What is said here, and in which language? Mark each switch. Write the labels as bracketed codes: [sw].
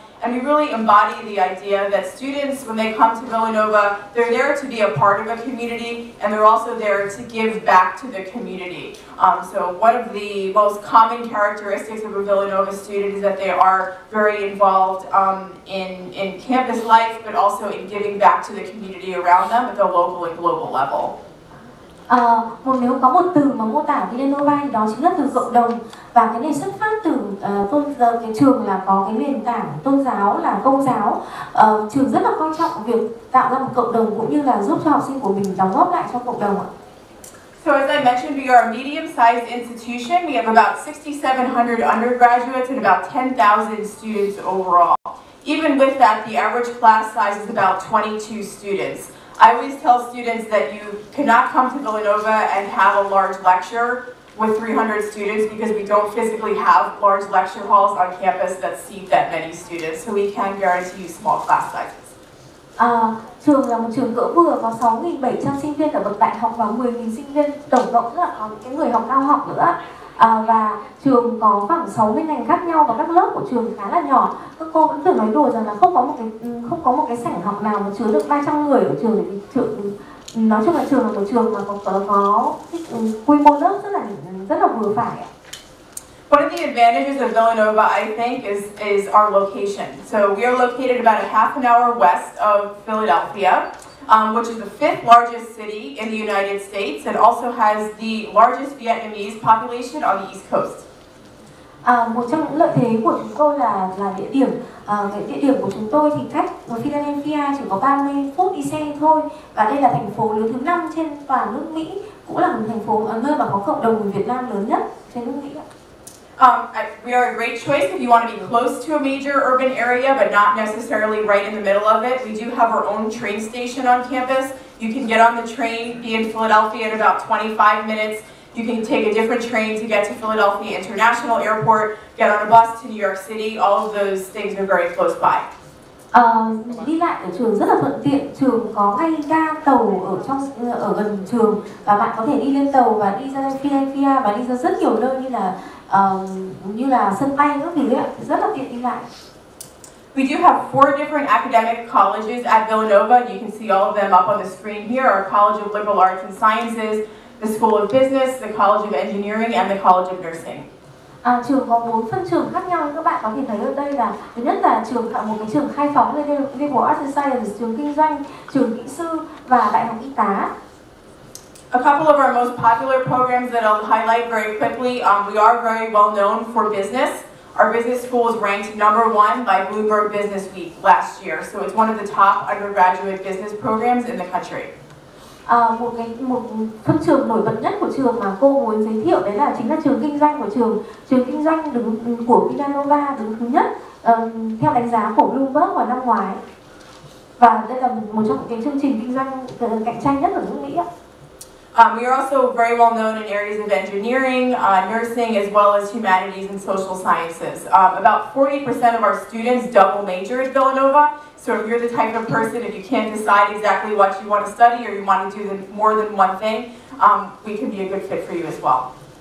[en] And we really embody the idea that students, when they come to Villanova, they're there to be a part of a community, and they're also there to give back to the community. So one of the most common characteristics of a Villanova student is that they are very involved in campus life, but also in giving back to the community around them at the local and global level. [vi] Nếu có một từ mà mô tả Villanova thì đó chính là từ cộng đồng. Và cái này xuất phát từ cái trường là có cái nền tảng tôn giáo là Công giáo. Trường rất là quan trọng việc tạo ra một cộng đồng cũng như là giúp cho học sinh của mình đóng góp lại cho cộng đồng ạ. [en] So as I mentioned, we are a medium-sized institution. We have about 6,700 undergraduates and about 10,000 students overall. Even with that, the average class size is about 22 students. I always tell students that you cannot come to Villanova and have a large lecture with 300 students, because we don't physically have large lecture halls on campus that seat that many students. So we can guarantee you small class sizes. [vi] Trường là một trường cỡ vừa, có 6,700 sinh viên ở bậc đại học và 10,000 sinh viên tổng cộng, là có cái người học cao học nữa. Và trường có khoảng 60 ngành khác nhau và các lớp của trường khá là nhỏ. Các cô vẫn thường nói đùa rằng là không có một cái sảnh học nào mà chứa được 300 người ở trường, thì nói chung là trường là một trường mà có quy mô lớp rất là vừa phải. [en] One of the advantages of Villanova, I think, is our location. So we are located about a half an hour west of Philadelphia, which is the fifth largest city in the United States and also has the largest Vietnamese population on the East Coast. [vi] Một trong những lợi thế của chúng tôi là địa điểm của chúng tôi thì cách một Philadelphia chỉ có 30 phút đi xe thôi, và đây là thành phố lớn thứ 5 trên toàn nước Mỹ, cũng là một thành phố nơi mà có cộng đồng người Việt Nam lớn nhất trên nước Mỹ. [en] We are a great choice if you want to be close to a major urban area but not necessarily right in the middle of it. We do have our own train station on campus. You can get on the train, be in Philadelphia in about 25 minutes. You can take a different train to get to Philadelphia International Airport, get on a bus to New York City. All of those things are very close by. [vi] Đi lại ở trường rất là thuận tiện. Trường có ngay ga tàu ở gần trường, và bạn có thể đi lên tàu và đi ra Philadelphia và đi ra rất nhiều nơi như là sân bay các thứ ạ. Rất là tiện đi lại. [en] We do have 4 different academic colleges at Villanova. You can see all of them up on the screen here. Our College of Liberal Arts and Sciences, the School of Business, the College of Engineering, and the College of Nursing. [vi] Trường có 4 phân trường khác nhau, các bạn có thể thấy ở đây là thứ nhất là trường một cái trường khai phóng là Liberal Arts and Sciences, trường kinh doanh, trường kỹ sư và đại học y tá. [en] A couple of our most popular programs that I'll highlight very quickly. We are very well known for business. Our business school is ranked number 1 by Bloomberg Business Week last year, so it's one of the top undergraduate business programs in the country. [vi] Một phân trường nổi bật nhất của trường mà cô muốn giới thiệu đấy là chính là trường kinh doanh của trường. Trường kinh doanh của Villanova đứng thứ nhất theo đánh giá của Bloomberg vào năm ngoái. Và đây là một trong cái chương trình kinh doanh cạnh tranh nhất ở nước Mỹ. [en] We are also very well known in areas of engineering, nursing, as well as humanities and social sciences. About 40% of our students double major at Villanova. So if you're the type of person, if you can't decide exactly what you want to study or you want to do more than one thing, we can be a good fit for you as well.